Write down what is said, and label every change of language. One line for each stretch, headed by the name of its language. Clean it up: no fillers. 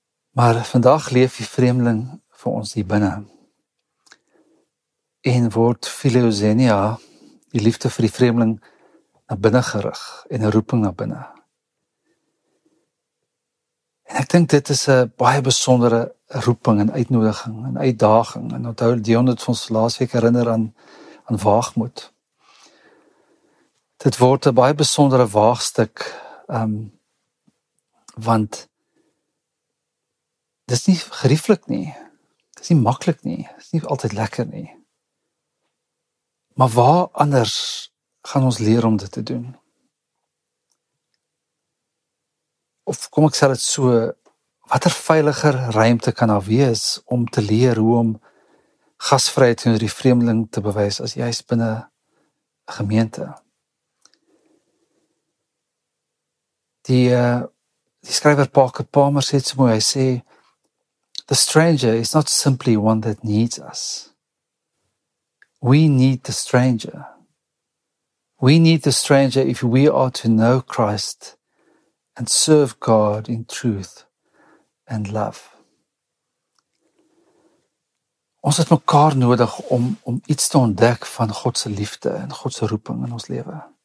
Afrikaans: Maar vandag leef die vreemdeling vir ons hier binne. En word philoxenia, die liefde vir die vreemdeling, na binne gerig en 'n roeping na binne. En ek dink dit is 'n baie besondere roeping en uitnodiging en uitdaging. En onthou, Dion het ons laasweek herinner aan waagmoed. Dit word 'n baie besondere waagstuk, want dit is nie gerieflik nie, dit is nie maklik nie, dit is nie altyd lekker nie. Maar waar anders gaan ons leer om dit te doen? Of kom ek sê dit so, watter veiliger ruimte kan daar wees om te leer hoe om gasvryheid teenoor die vreemdeling te bewys as jy is binne 'n gemeente? Die skrywer Parker Palmer sê so mooi, hy sê,
English: the stranger is not simply one that needs us. We need the stranger. We need the stranger if we are to know Christ and serve God in truth and love.
Afrikaans: Ons het mekaar nodig om iets te ontdek van God se liefde en God se roeping in ons lewe.